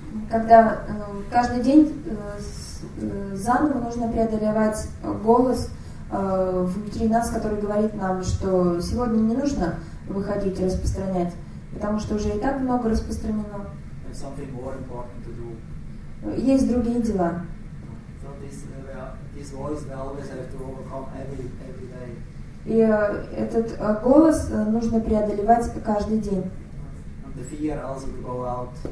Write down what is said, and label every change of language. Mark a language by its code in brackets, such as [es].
[ru] Когда каждый день заново нужно преодолевать голос внутри нас, который говорит нам, что сегодня не нужно выходить и распространять, потому что уже и так много распространено. [en] And something more important to do. [ru] Есть другие дела. [en] So this voice we always have to overcome every day. [ru] И этот голос нужно преодолевать каждый день. [en] And the fear also to go out.